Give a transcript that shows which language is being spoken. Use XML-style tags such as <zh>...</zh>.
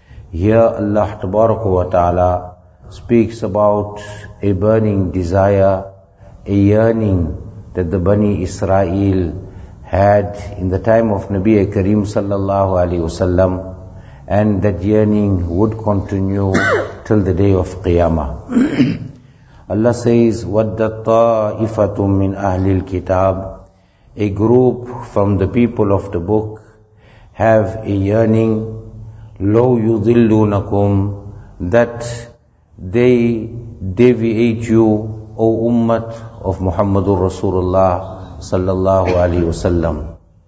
<en>Here Allah tabaraka wa ta'ala speaks about a burning desire, a yearning that the Bani Israel had in the time of Nabi Kareem sallallahu alayhi wasallam, and that yearning would continue till the day of Qiyamah. Allah says,</en> <ar>وَدَّ الطَّائِفَةٌ مِّنْ أَهْلِ الْكِتَابِ.</ar> <en>A group from the people of the book have a yearning,</en> <ar>lo yudhillunakum,</ar> <en>that they deviate you, O Ummat of Muhammadur Rasulullah sallallahu alayhi wasallam.</en>